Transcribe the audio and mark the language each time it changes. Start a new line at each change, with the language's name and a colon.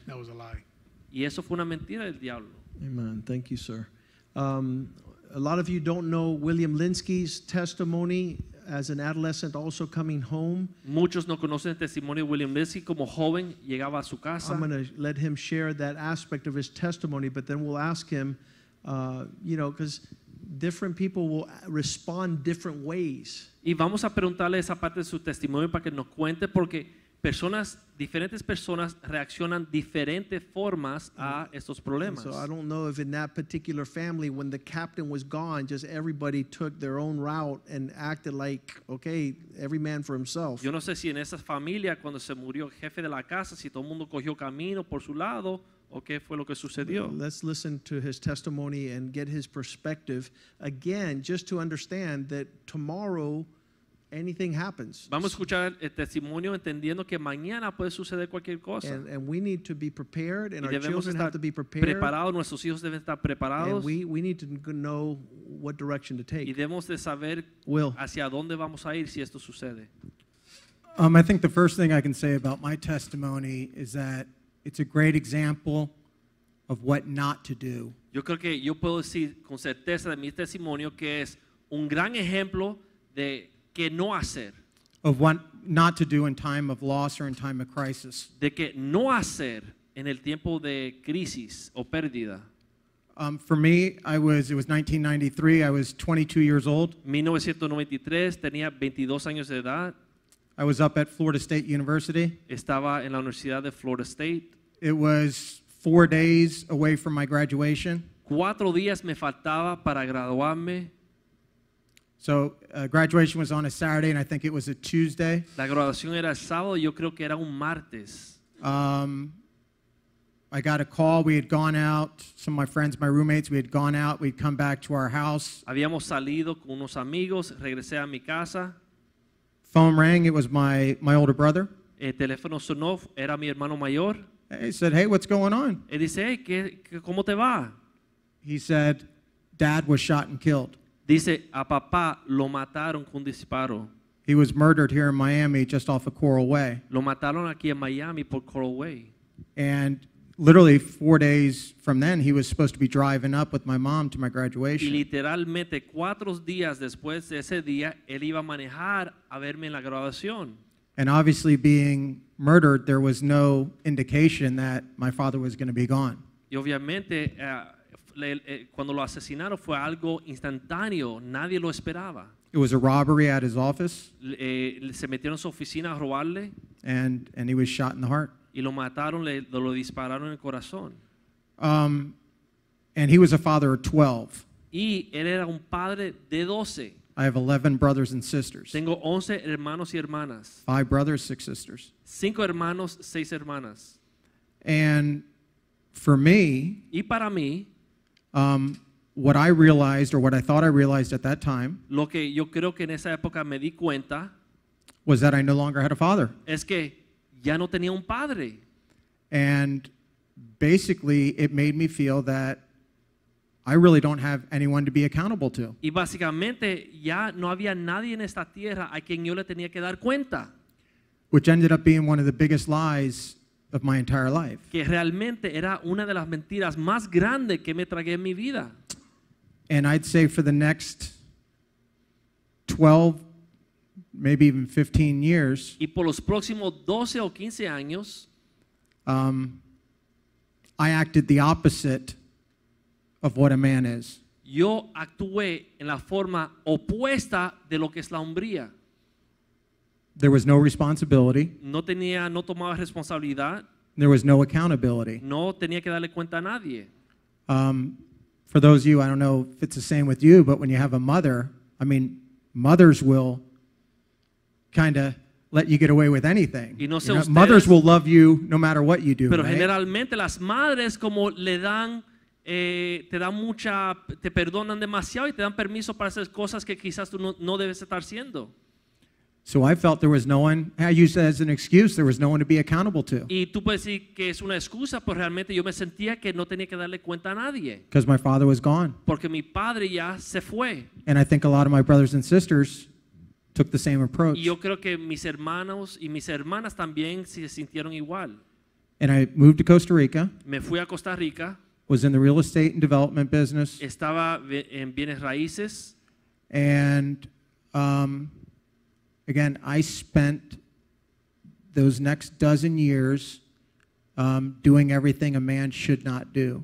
English: That was a lie.
Spanish: Y eso fue una mentira del diablo.
English: Amen. Thank you, sir. A lot of you don't know William Linsky's testimony. As an adolescent also coming home,
Spanish: muchos no conocen el testimonio de William Lizzie como joven llegaba a su casa.
English: I'm going to let him share that aspect of his testimony, but then we'll ask him, you know, because different people will respond different ways.
Spanish: Y vamos a preguntarle esa parte de su testimonio para que nos cuente, porque personas, diferentes personas reaccionan diferentes formas a estos problemas.
English: So I don't know if in that particular family, when the captain was gone, just everybody took their own route and acted like, okay, every man for himself.
Spanish: Yo no sé si en esa familia, cuando se murió el jefe de la casa, si todo el mundo cogió camino por su lado, o qué fue lo que sucedió.
English: Let's listen to his testimony and get his perspective. Again, just to understand that tomorrow, anything happens.
Spanish: Vamos a escuchar el testimonio entendiendo que mañana puede suceder cualquier cosa.
English: And we need to be prepared, and our children have to be prepared.
Spanish: Preparados, nuestros hijos deben estar preparados.
English: And we need to know what direction to take.
Spanish: Y debemos de saber,
English: Will,
Spanish: hacia dónde vamos a ir si esto sucede.
English: I think the first thing I can say about my testimony is that it's a great example of what not to do.
Spanish: Yo creo que yo puedo decir con certeza de mi testimonio que es un gran ejemplo de que no hacer.
English: Of what not to do in time of loss or in time of crisis.
Spanish: De que no hacer en el tiempo de crisis o pérdida.
English: For me, it was 1993. I was 22 years old.
Spanish: 1993, tenía 22 años de edad.
English: I was up at Florida State University.
Spanish: Estaba en la Universidad de Florida State.
English: It was 4 days away from my graduation.
Spanish: 4 días me faltaba para graduarme.
English: So graduation was on a Saturday, and I think it was a Tuesday.
Spanish: La graduación era el sábado, yo creo que era un martes.
English: I got a call. We had gone out, some of my friends, my roommates, we had gone out. We'd come back to our house.
Spanish: Habíamos salido con unos amigos, regresé a mi casa.
English: Phone rang. It was my older brother.
Spanish: El teléfono sonó, era mi hermano mayor.
English: He said, hey, what's going on?
Spanish: Él dice, hey, ¿cómo te va?
English: He said, Dad was shot and killed.
Spanish: Dice, a papá lo mataron con disparo.
English: He was murdered here in Miami just off of Coral Way.
Spanish: Lo mataron aquí en Miami por Coral Way.
English: And literally 4 days from then, he was supposed to be driving up with my mom to my graduation.
Spanish: Y literalmente 4 días después de ese día, él iba a manejar a verme en la graduación.
English: And obviously being murdered, there was no indication that my father was going to be gone.
Spanish: Y obviamente, cuando lo asesinaron fue algo instantáneo, nadie lo esperaba.
English: It was a robbery at his office.
Spanish: Se metieron a su oficina a robarle.
English: And he was shot in the heart.
Spanish: Y lo mataron, lo dispararon en el corazón.
English: And he was a father of 12.
Spanish: Y él era un padre de 12.
English: I have 11 brothers and sisters.
Spanish: Tengo 11 hermanos y hermanas.
English: 5 brothers, 6 sisters.
Spanish: 5 hermanos, 6 hermanas.
English: And for me,
Spanish: y para mí,
English: What I realized, or what I thought I realized at that time,
Spanish: lo que yo creo que en esa época me di cuenta,
English: was that I no longer had a father.
Spanish: Es que ya no tenía un padre.
English: And basically, it made me feel that I really don't have anyone to be accountable to.
Spanish: Y básicamente, ya no había nadie en esta tierra a quien yo le tenía que dar cuenta.
English: Which ended up being one of the biggest lies of my entire life.
Spanish: Que realmente era una de las mentiras más grandes que me tragué en mi vida.
English: And I'd say for the next 12, maybe even 15 years.
Spanish: Y por los próximos 12 o 15 años,
English: I acted the opposite of what a man is.
Spanish: Yo actué en la forma opuesta de lo que es la hombría.
English: There was no responsibility.
Spanish: No tenía, no tomaba responsabilidad.
English: There was no accountability.
Spanish: No tenía que darle cuenta a nadie.
English: For those of you, I don't know if it's the same with you, but when you have a mother, I mean, mothers will kind of let you get away with anything.
Spanish: Y no sé,
English: you know,
Spanish: ustedes,
English: mothers will love you no matter what you do,
Spanish: pero
English: right?
Spanish: Generalmente las madres como le dan, te dan mucha, te perdonan demasiado y te dan permiso para hacer cosas que quizás tú no debes estar haciendo.
English: So I felt there was no one, I used it as an excuse, there was no one to be accountable to.
Spanish: Y tú puedes decir que es una excusa, pero realmente yo me sentía que no tenía que darle cuenta a nadie.
English: Because my father was gone.
Spanish: Porque mi padre ya se fue.
English: And I think a lot of my brothers and sisters took the same approach.
Spanish: Y yo creo que mis hermanos y mis hermanas también se sintieron igual.
English: And I moved to Costa Rica.
Spanish: Me fui a Costa Rica.
English: Was in the real estate and development business.
Spanish: Estaba en bienes raíces.
English: And again, I spent those next dozen years doing everything a man should not do.